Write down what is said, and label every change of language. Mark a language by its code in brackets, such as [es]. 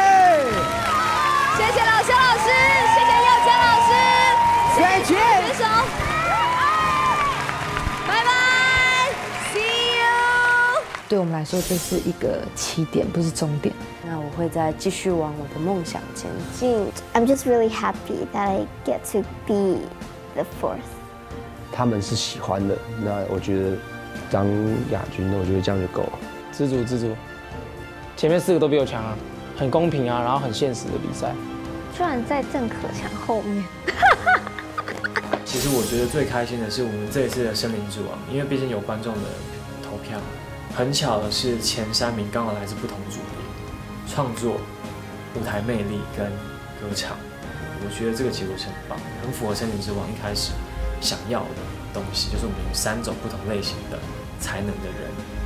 [zh] 谢谢老肖老师，谢谢佑佳老师，谢谢选手，拜拜 ， [en] See you。 [zh] 对我们来说，这是一个起点，不是终点。那我会再继续往我的梦想前进。 [en] I'm just really happy that I get to be the fourth。 [zh] 他们是喜欢的，那我觉得当亚军，那我觉得这样就够了。知足知足，前面四个都比我强啊。很公平啊，然后很现实的比赛，居然在郑可强后面。其实我觉得最开心的是我们这一次的森林之王，因为毕竟有观众的投票，很巧的是前三名刚好来自不同组别，创作、舞台魅力跟歌唱，我觉得这个结果是很棒，很符合森林之王一开始想要的东西，就是我们有三种不同类型的才能的人。